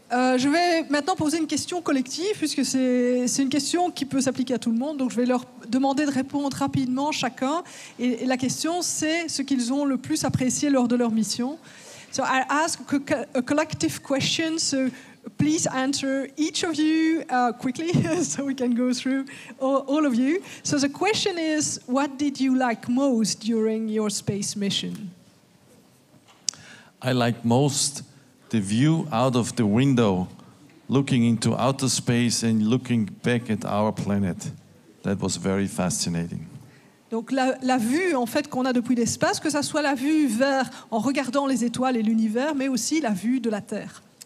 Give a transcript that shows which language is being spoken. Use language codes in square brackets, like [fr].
[fr] Je vais maintenant poser une question collective, puisque c'est une question qui peut s'appliquer à tout le monde. Donc je vais leur demander de répondre rapidement chacun. Et la question, c'est ce qu'ils ont le plus apprécié lors de leur mission. [en] So I ask a collective question. So please answer each of you quickly, so we can go through all of you. So the question is, what did you like most during your space mission? I like most the view out of the window, looking into outer space and looking back at our planet. That was very fascinating. [fr] Donc la vue en fait qu'on a depuis l'espace, que ça soit la vue vers en regardant les étoiles et l'univers, mais aussi la vue de la Terre.